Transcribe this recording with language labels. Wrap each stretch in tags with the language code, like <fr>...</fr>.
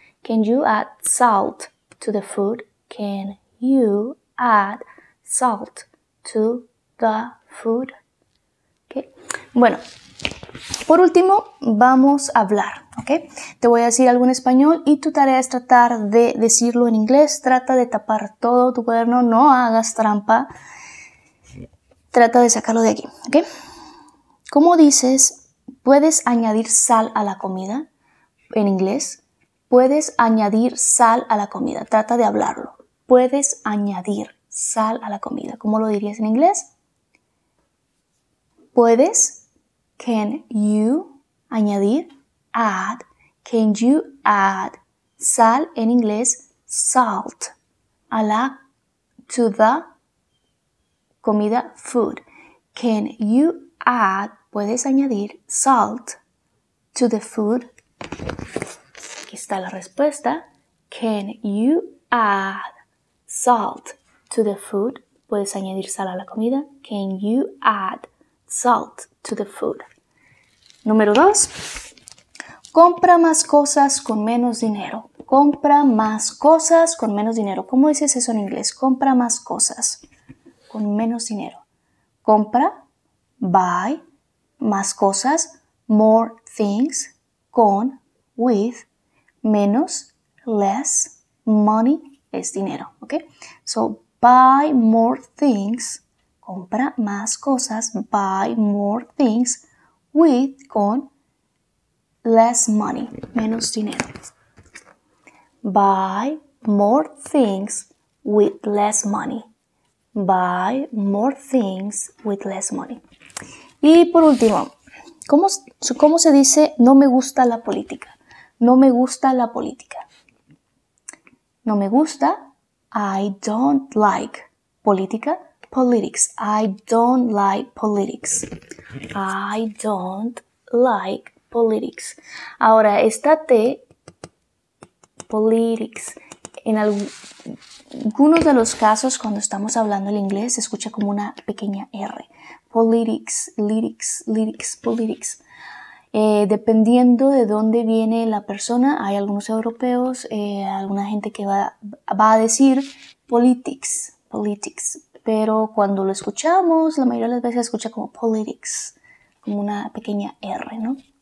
<en>Can you add salt to the food? Can you add salt to the food? Okay.</en> <es>Bueno, por último, vamos a hablar. Okay. Te voy a decir algo en español y tu tarea es tratar de decirlo en inglés. Trata de tapar todo tu cuaderno, no hagas trampa. Trata de sacarlo de aquí. Okay. ¿Cómo dices? ¿Puedes añadir sal a la comida? En inglés. ¿Puedes añadir sal a la comida? Trata de hablarlo. ¿Puedes añadir sal a la comida? ¿Cómo lo dirías en inglés? ¿Puedes?</es> <en>Can you</en> <es>añadir?</es> <en>Add. Can you add</en> <es>sal en inglés?</es> <en>Salt.</en> <es>A la,</es> <en>to the</en> <es>comida, food.</es> <en>Can you add?</en> <es>¿Puedes añadir</es> <en>salt to the food?</en> <es>Aquí está la respuesta.</es> <en>Can you add salt to the food?</en> <es>¿Puedes añadir sal a la comida?</es> <en>Can you add salt to the food?</en> <es>Número 2. Compra más cosas con menos dinero. Compra más cosas con menos dinero. ¿Cómo dices eso en inglés? Compra más cosas con menos dinero. Compra, buy, más cosas,</es> <en>more things,</en> <es>con, with, menos,</es> <en>less,</en> <es>money, es dinero, ¿ok?</es> <en>So, buy more things,</en> <es>compra más cosas,</es> <en>buy more things, with, con, less money,</en> <es>menos dinero.</es> <en>Buy more things with less money. Buy more things with less money.</en> <es>Y por último, ¿cómo se dice no me gusta la política? No me gusta la política. No me gusta.</es> <en>I don't like</en> <es>política.</es> <en>Politics. I don't like politics. I don't like politics.</en> <es>Ahora, esta T, politics, en algunos de los casos cuando estamos hablando el inglés se escucha como una pequeña R.</es> <en>Politics, lyrics, lyrics, politics.</en> <es>Dependiendo de dónde viene la persona, hay algunos europeos, alguna gente que va a decir politics, politics. Pero cuando lo escuchamos, la mayoría de las veces se escucha como politics, como una pequeña R, ¿no?</es>